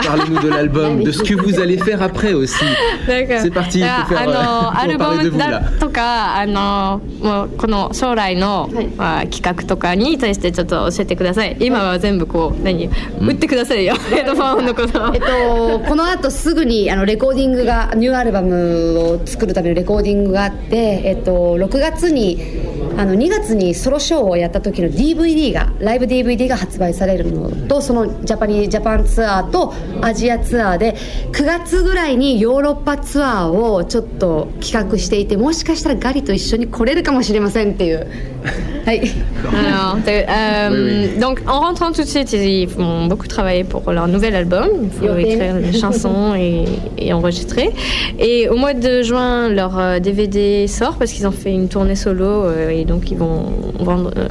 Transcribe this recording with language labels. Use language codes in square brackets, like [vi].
[fr] Parlez-nous de l'album, de ce que vous allez faire après aussi. D'accord. C'est parti. [ja] Album だとかもうこの将来の企画とかに対してちょっと教えてください。今は全部こう何打ってくださいよ。ヘッドファンのこと。この後すぐにレコーディングがニューアルバムを作るためのレコーディングがあって6月に2月にソロショーをやった時の DVD がライブ DVD が発売されるのとそのジャパンツアーとアジアツアーで9月ぐらいにヨーロッパツアーをちょっと企画していてもしかしたらガリと一緒に来れるかもしれませんっていう。 [fr] Alors, donc en rentrant tout de suite, ils vont beaucoup travailler pour leur nouvel album. Il faut écrire des chansons et enregistrer. Et au mois de juin, leur DVD sort parce qu'ils ont fait une tournée solo et donc ils vont vendre.